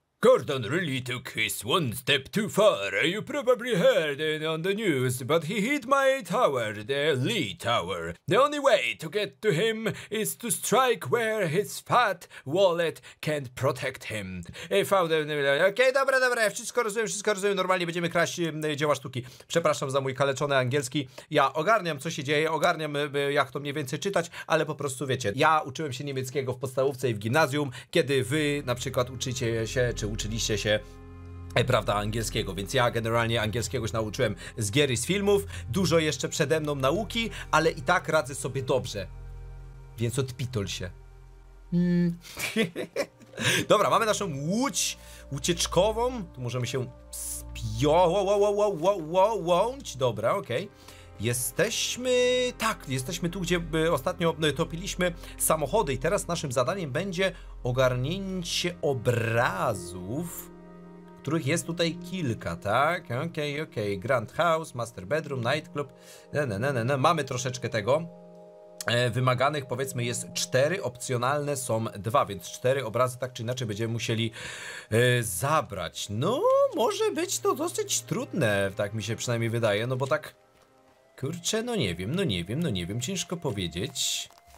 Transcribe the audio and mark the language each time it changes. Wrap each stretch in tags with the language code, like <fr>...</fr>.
<en>Gordon really took his one step too far. You probably heard it on the news, but he hit my tower, the Lee Tower. The only way to get to him is to strike where his fat wallet can't protect him.</en> <pl>Okej, dobra, wszystko rozumiem, normalnie będziemy kraść dzieła sztuki. Przepraszam za mój kaleczony angielski. Ja ogarniam, co się dzieje, ogarniam, jak to mniej więcej czytać, ale po prostu wiecie, ja uczyłem się niemieckiego w podstawówce i w gimnazjum, kiedy wy na przykład uczycie się, czy uczyliście się, prawda, angielskiego, więc ja generalnie angielskiego się nauczyłem z gier i z filmów. Dużo jeszcze przede mną nauki, ale i tak radzę sobie dobrze. Więc odpitol się. Dobra, mamy naszą łódź ucieczkową. Tu możemy się spio... łąć. Dobra, okej. Jesteśmy... Tak, jesteśmy tu, gdzie ostatnio topiliśmy samochody i teraz naszym zadaniem będzie ogarnięcie obrazów, których jest tutaj kilka, tak? Okej.</pl> <en>Grand House, Master Bedroom, Nightclub.</en> <pl>Ne. Mamy troszeczkę tego. Wymaganych, powiedzmy, jest 4, opcjonalne są 2, więc 4 obrazy tak czy inaczej będziemy musieli zabrać. No, może być to dosyć trudne, tak mi się przynajmniej wydaje, no bo tak... Kurczę, no nie wiem, ciężko powiedzieć.</pl>